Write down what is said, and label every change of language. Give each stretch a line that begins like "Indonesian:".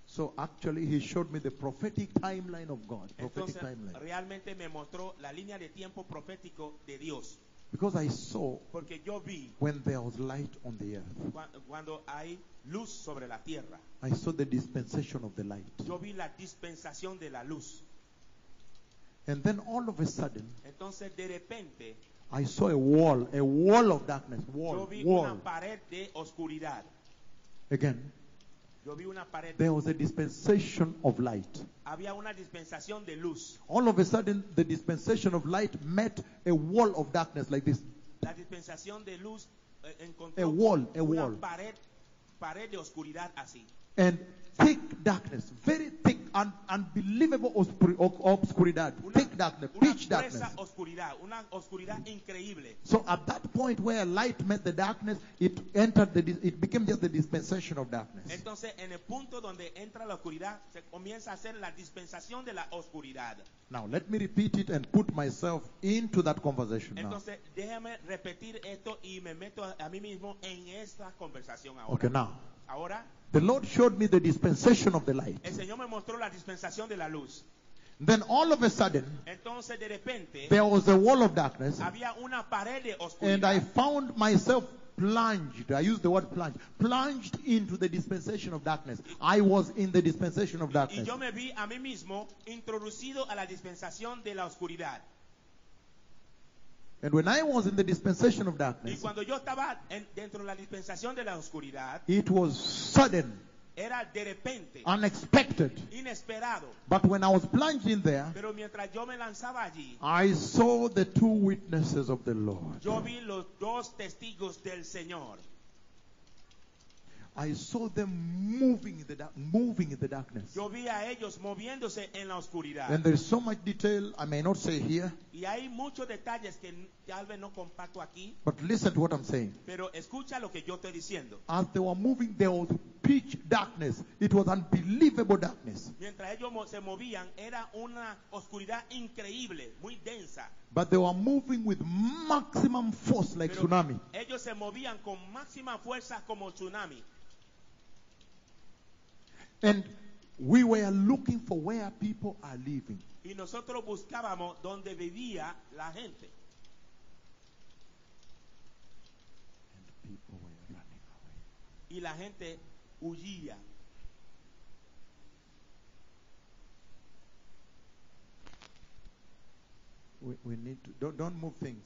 English: So actually, he showed me the prophetic timeline of God, prophetic
Spanish: entonces,
English: timeline.
Spanish: Realmente me mostró la línea de tiempo profético de Dios.
English: Because I saw
Spanish: porque yo vi
English: when there was light on the earth.
Spanish: Cuando hay luz sobre la tierra.
English: I saw the dispensation of the light.
Spanish: Yo vi la dispensación de la luz.
English: And then all of a sudden,
Spanish: entonces de repente,
English: I saw a wall of darkness, wall,
Spanish: yo vi
English: wall.
Spanish: Una pared de oscuridad.
English: Again,
Spanish: yo vi una pared
English: there was a dispensation of light.
Spanish: Había una dispensación de luz.
English: All of a sudden, the dispensation of light met a wall of darkness like this.
Spanish: La dispensación de luz encontró
English: a wall.
Spanish: Una pared, pared de oscuridad así.
English: And thick darkness, very thick, unbelievable obscuridad.
Spanish: Una,
English: thick darkness,
Spanish: una
English: pitch darkness.
Spanish: Oscuridad, una oscuridad increíble.
English: So at that point where light met the darkness, it entered the, it became just the dispensation of darkness.
Spanish: Entonces, en el punto donde entra la oscuridad, se comienza a ser la dispensación de la oscuridad.
English: Now let me repeat it and put myself into that conversation.
Spanish: Entonces,
English: now.
Spanish: Déjame repetir esto y me meto a mí mismo en esta conversación ahora.
English: Okay, now.
Spanish: Ahora.
English: The Lord showed me the dispensation of the light.
Spanish: El Señor me mostró la dispensación de la luz.
English: Then all of a sudden,
Spanish: entonces, de repente,
English: there was a wall of darkness.
Spanish: Había una pared de oscuridad.
English: And I found myself plunged. I use the word plunged. Plunged into the dispensation of darkness. I was in the dispensation of darkness.
Spanish: Y yo me vi a mí mismo introducido a la dispensación de la oscuridad.
English: And when I was in the dispensation of darkness,
Spanish: y cuando yo estaba en, dentro de la dispensación de la oscuridad,
English: it was sudden.
Spanish: Era de repente,
English: unexpected.
Spanish: Inesperado.
English: But when I was plunged in there,
Spanish: pero mientras yo me lanzaba allí,
English: I saw the two witnesses of the Lord.
Spanish: Yo vi los dos testigos del Señor.
English: I saw them moving in the darkness.
Spanish: Yo vi a ellos moviéndose en la oscuridad.
English: And there's so much detail I may not say here.
Spanish: Y hay muchos detalles que tal vez no comparto aquí.
English: But listen to what I'm saying.
Spanish: Pero escucha lo que yo estoy diciendo.
English: As they were moving, there was pitch darkness. It was unbelievable darkness.
Spanish: Mientras ellos se movían, era una oscuridad increíble, muy densa.
English: But they were moving with maximum force, like
Spanish: pero
English: tsunami.
Spanish: Ellos se movían con máxima fuerza como tsunami.
English: And we were looking for where people are living.
Spanish: Y nosotros buscábamos donde vivía la gente.
English: And people were running away.
Spanish: Y la gente huía.
English: We need to don't move things.